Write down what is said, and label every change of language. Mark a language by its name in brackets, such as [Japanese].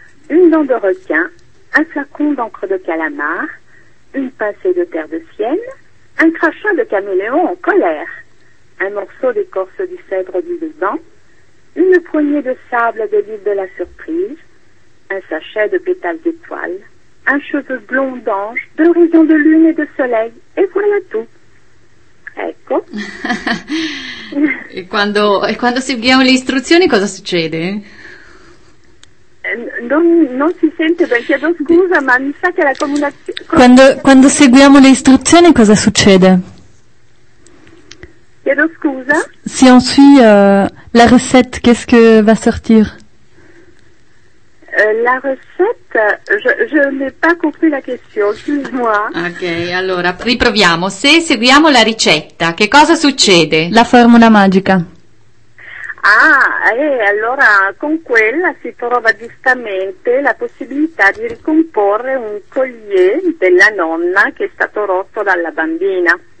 [French] une dent de requin, un flacon d'encre de calamar, une pincée de terre de sienne, un crachat de caméléon en colère, un morceau d'écorce du cèdre du Liban, une poignée de sable de l'île de la surprise, un sachet de pétales d'étoiles, un cheveu blond d'ange, deux rayons de lune et de soleil, et voilà tout. [Italian] Ecco. E quando seguiamo le istruzioni, cosa succede? Non si sente, ben chiedo scusa, ma mi sa che la comunicazione... Quando seguiamo le istruzioni, cosa succede? Chiedo scusa? [French] Si on suit la recette, qu'est-ce que va sortir? La recette, je n'ai pas compris la question, excuse-moi. [Italian] Ok, allora riproviamo. Se seguiamo la ricetta, che cosa succede? La formula magica. Ah, allora con quella si trova giustamente la possibilità di ricomporre un collier della nonna che è stato rotto dalla bambina.